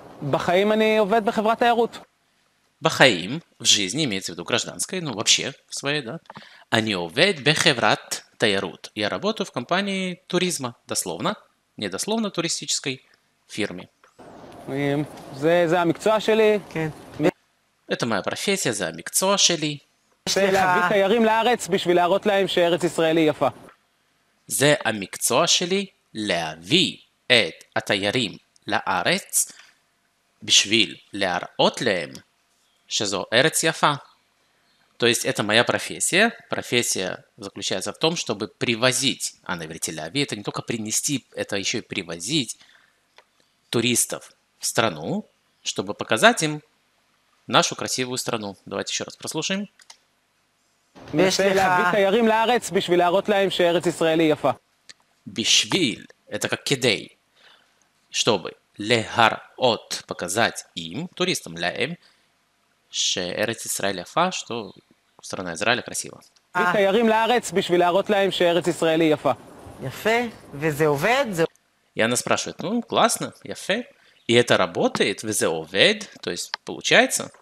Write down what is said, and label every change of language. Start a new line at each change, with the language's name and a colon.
Hebrew: בחיים אני עובד בחברת תיירות.
Russian: בחיים, в жизни, имеется в виду гражданской, ну вообще в своей, да,
Hebrew: אני עובד בחברת תיירות.
Russian: Я работаю в компании туризма, дословно, не дословно, туристической фирме.
Hebrew: זה המקצוע שלי. כן.
Russian: Это моя профессия,
Hebrew: זה המקצוע שלי. להביא תיירים לארץ בשביל להראות להם שארץ ישראל היא יפה. זה המקצוע שלי. להביא את התיירים לארץ בשביל להראות להם שזו ארץ יפה.
Russian: То есть это моя профессия. Профессия заключается в том, чтобы привозить, а на иврите להביא, это не только принести, это еще и привозить туристов в страну, чтобы показать им нашу красивую страну. Давайте еще раз прослушаем.
Hebrew: להביא תיירים לארץ בשביל להראות להם שארץ ישראל היא יפה.
Russian: Бишвиль, это как кедей, чтобы легарот показать им, туристам ляем, ше эрец Исраэля фа, что страна Израиля красива. И она спрашивает, ну классно, яфе, и это работает, везеовед, то есть получается.